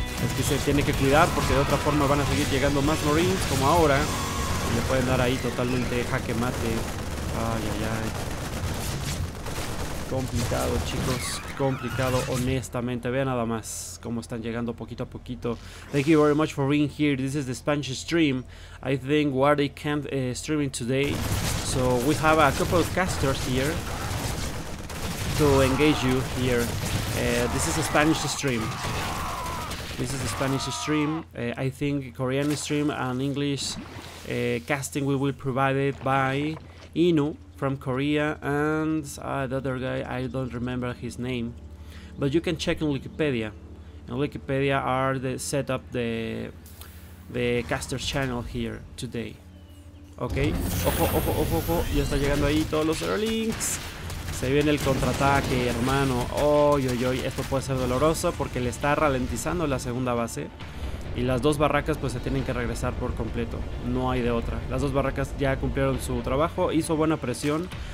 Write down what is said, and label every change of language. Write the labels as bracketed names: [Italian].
[Spanish] Es que se tiene que cuidar, porque de otra forma van a seguir llegando más Marines como ahora. Y le pueden dar ahí totalmente jaque mate. Ay, ay, ay. Complicado, chicos, complicado, honestamente. Vean nada más cómo están llegando poquito a poquito. [English] Thank you very much for being here. This is the Spanish stream. I think Wardy can't stream in today, so we have a couple of casters here to engage you here. This is a Spanish stream. This is a Spanish stream. I think Korean stream and English casting we will provide it by Inu from Korea, and the other guy, I don't remember his name, but you can check in Wikipedia. In Wikipedia are the set up the caster's channel here today. [Spanish] Okay, ojo, ojo, ojo, ojo, ya está llegando ahí todos los Zerlings. Se viene el contraataque, hermano. Oy, oy, oy, esto puede ser doloroso porque le está ralentizando la segunda base. Y las dos barracas pues se tienen que regresar por completo, no hay de otra. Las dos barracas ya cumplieron su trabajo, hizo buena presión.